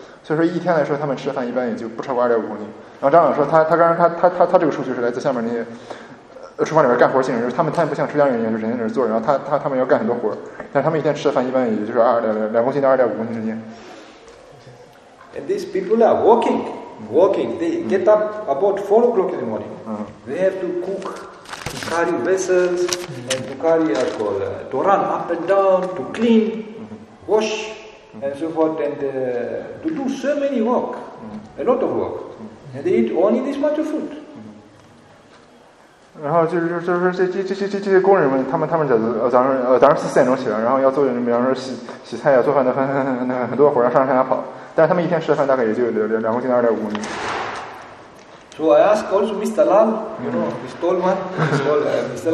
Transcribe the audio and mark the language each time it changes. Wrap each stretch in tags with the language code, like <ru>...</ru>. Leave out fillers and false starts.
<zh>所以说一天来说，他们吃的饭一般也就不超过2.5公斤。然后张老说他这个数据是来自下面那些厨房里面干活性人，就是他们不像出家人一样，就是人在那坐着，然后他们要干很多活，但他们一天吃的饭一般也就是2公斤到2.5公斤之间。</zh> <en>And these people are walking. Walking, they get up about 4 o'clock in the morning. They have to cook, to carry vessels, and to carry, to run up and down, to clean, wash, and so forth, and to do so many work, a lot of work. And they eat only this much of food.</en> <zh>然后就是这些工人们，他们早上4点钟起来，然后要做什么，比方说洗菜呀、做饭的很多活儿，要上山下跑。但是他们一天吃的饭大概也就2公斤到2.5公斤。</zh> <en>So I ask also Mr. Lal, you know, this tall one, this tall Mr.</en>